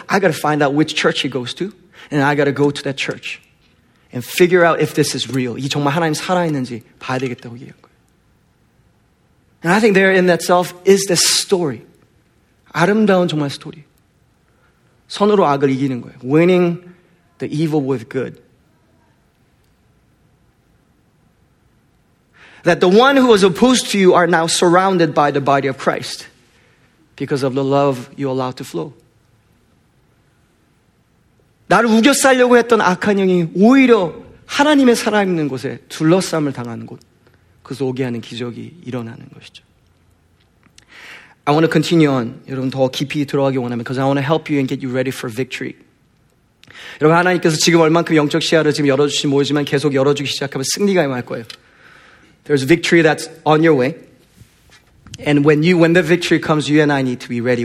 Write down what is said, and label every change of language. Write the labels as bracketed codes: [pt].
[en] I got to find out which church she goes to. And I got to go to that church. And figure out if this is real. [ko] 이 정말 하나님 살아있는지 봐야 되겠다고 얘기한 거예요. [en] And I think there in that self is this story. [ko] 아름다운 정말 스토리. 선으로 악을 이기는 거예요. [en] Winning the evil with good. That the one who was opposed to you are now surrounded by the body of Christ. Because of the love you allow to flow. [ko] 나를 우겨싸려고 했던 악한 영이 오히려 하나님의 살아있는 곳에 둘러싸움을 당하는 곳, 그래서 오게 하는 기적이 일어나는 것이죠. [en] I want to continue on. [ko] 여러분 더 깊이 들어가기 원하면, [en] because I want to help you and get you ready for victory. [ko] 여러분 하나님께서 지금 얼만큼 영적 시야를 지금 열어주신지 모르지만 계속 열어주기 시작하면 승리가 임할 거예요. [en] There's victory that's on your way. And when the victory comes, you and I need to be ready.